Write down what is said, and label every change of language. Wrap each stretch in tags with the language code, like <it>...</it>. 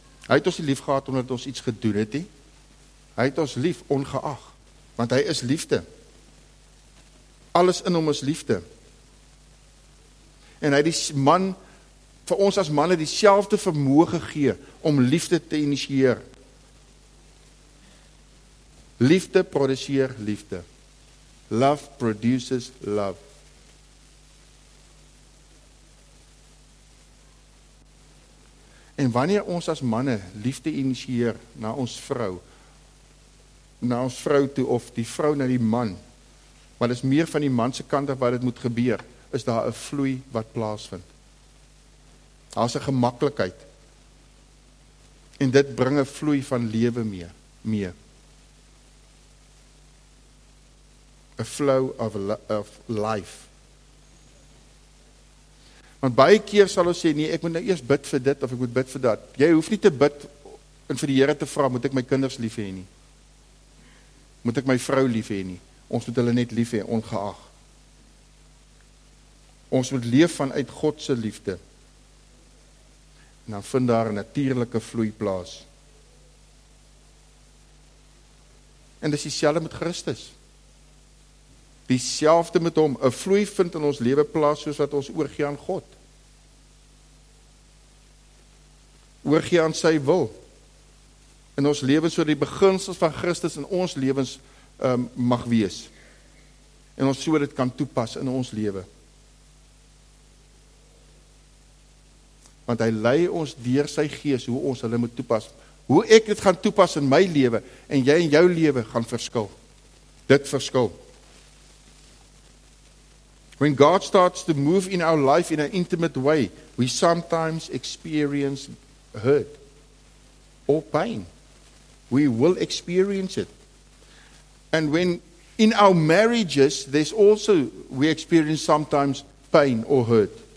<af>Hy het ons nie lief gehad omdat ons iets gedoen het nie. Hy het ons lief ongeag, want hy is liefde. Alles in hom is liefde. En hy het die man, vir ons as manne, dieselfde vermoë gegee om liefde te initieer. Liefde produseer liefde.</af> <en>Love produces love.</en> <af>En wanneer ons as manne liefde initieer na ons vrou toe of die vrou na die man, maar is meer van die manse kant af waar dit moet gebeur, is daar 'n vloei wat plaasvind. Daar is 'n gemaklikheid. En dit bring 'n vloei van lewe mee.</af> <en>A flow of life.</en> <af>Want baie keer sal ons sê, nee, ek moet nou eers bid vir dit, of ek moet bid vir dat. Jy hoef nie te bid, en vir die Here te vra, moet ek my kinders lief hê nie? Moet ek my vrou lief hê nie? Ons moet hulle net lief hê, ongeag. Ons moet leef vanuit God se liefde. En dan vind daar 'n natuurlike vloei plaas. En dis dieselfde met Christus. Dieselfde met hom, 'n vloei vind in ons lewe plaas soos wat ons oorgee aan God. Oorgee aan sy wil in ons lewens sodat die beginsels van Christus in ons lewens mag wees. En ons so dit kan toepas in ons lewe. Want hy lei ons deur sy gees hoe ons hulle moet toepas. Hoe ek dit gaan toepas in my lewe en jy in jou lewe gaan verskil. Dit verskil.</af> <en>When God starts to move in our life in an intimate way, we sometimes experience hurt or pain. We will experience it. And when in our marriages, there's also, we experience sometimes pain or hurt.</en>